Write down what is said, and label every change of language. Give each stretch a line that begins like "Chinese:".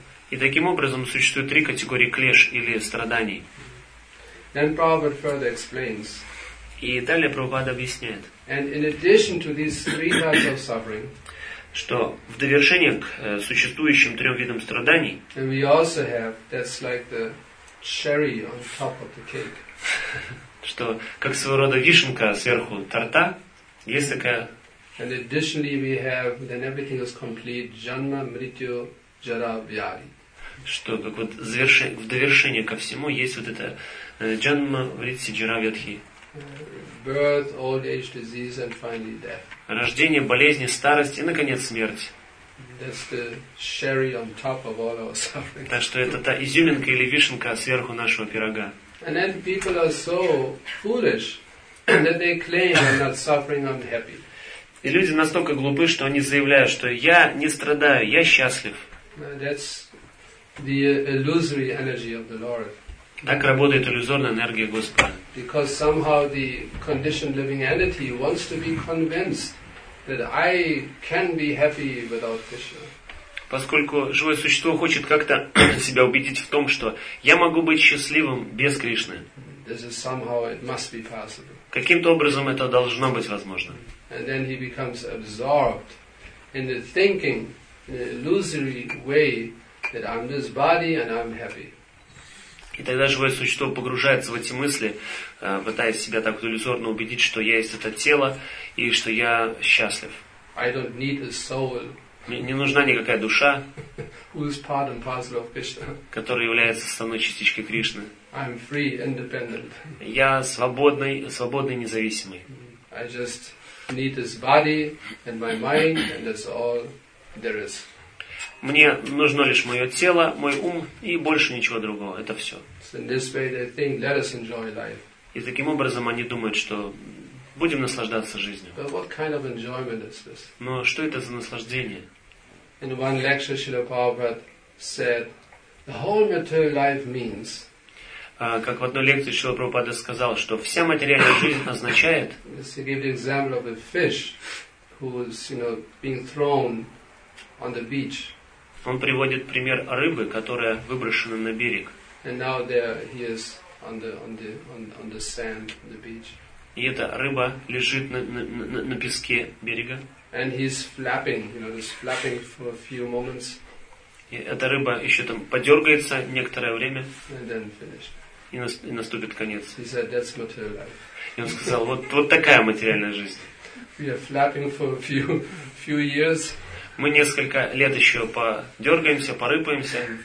Russian: И таким образом существует три категории клеш или страданий.
English: Then Prabhupada further explains.
Russian: И далее Прабхупада объясняет.
English: And in addition to these three types of suffering,
Russian: что в довершение к существующим трем видам страданий,
English: and we also have, that's like the cherry on top of the cake.
Russian: Что как своего рода вишенка сверху торта, есть такая.
English: And additionally we have, then everything is complete, janma, mrityu, jara, vyadhi.
Russian: Что как вот в довершение ко всему есть вот это janma, mrityu, jara, vyadhi.
English: Birth, old age, disease, and finally death.
Russian: Рождение, болезни, старость и, наконец, смерть.
English: That's the cherry on top of all our suffering.
Russian: Так что это та изюминка или вишенка сверху нашего пирога.
English: And then people are so foolish that they claim I'm not suffering, I'm happy.
Russian: И люди настолько глупы, что они заявляют, что я не страдаю, я счастлив.
English: That's the illusory energy of the Lord.
Russian: Так работает иллюзорная энергия Господа.
English: Because somehow the conditioned living entity wants to be convinced that I can be happy without Krishna.
Russian: Поскольку живое существо хочет как-то себя убедить в том, что я могу быть счастливым без Кришны.
English: This is somehow it must be possible.
Russian: Каким-то образом это должно быть возможно.
English: And then he becomes absorbed in the thinking, in an illusory way, that I'm this body and I'm happy.
Russian: И тогда живое существо погружается в эти мысли, пытаясь себя так иллюзорно убедить, что я есть это тело и что я счастлив.
English: I don't need a soul.
Russian: Не нужна никакая душа,
English: who is part and parcel of Krishna.
Russian: Которая является основной частичкой Кришны.
English: I'm free, independent.
Russian: Я свободный, свободный, независимый.
English: I just need this body and my mind, and that's all there is.
Russian: Мне нужно лишь мое тело, мой ум и больше ничего другого. Это все.
English: So in this way they think, let us enjoy life.
Russian: И таким образом они думают, что будем наслаждаться жизнью.
English: But what kind of enjoyment is this?
Russian: Но что это за наслаждение?
English: In one lecture, Srila Prabhupada said, the whole material life means.
Russian: Как в одной лекции Шрила Прабхупада сказал, что вся материальная жизнь означает.
English: He gave the example of a fish who is, you know, being thrown on the beach.
Russian: Он приводит пример рыбы, которая выброшена на берег.
English: And now there he is on the sand, on the beach.
Russian: И эта рыба лежит на песке берега.
English: And he's flapping, you know, just flapping for a few moments.
Russian: И эта рыба еще там подергается некоторое время.
English: And then finished.
Russian: И наступит конец.
English: He said, that's material life.
Russian: И он сказал, вот такая материальная жизнь.
English: We are flapping for a few years.
Russian: Мы несколько лет еще подергаемся, порыпаемся.